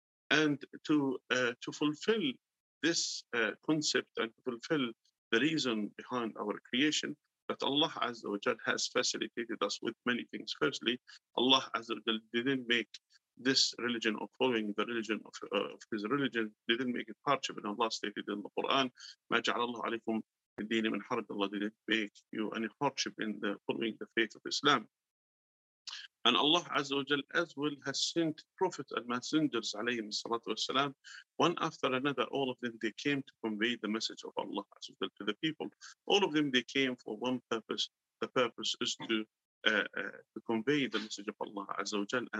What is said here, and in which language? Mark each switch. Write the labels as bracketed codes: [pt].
[en] And to fulfill this concept and to fulfill the reason behind our creation, that Allah Azza wa Jal has facilitated us with many things. Firstly, Allah Azza wa Jal didn't make this religion of following the religion of his religion, didn't make it hardship. And Allah stated in the Quran, [ar] مَا جَعَلَ اللَّهُ عَلَيْكُمْ دِينِ مِنْ حَرَجٍ. [en] Allah didn't make you any hardship in the following the faith of Islam. And Allah Azza wa Jal as well has sent prophets and messengers alayhim salatu wa salam, one after another. All of them, they came to convey the message of Allah Azza wa Jal to the people. All of them, they came for one purpose. The purpose is to convey the message of Allah Azza wa Jal.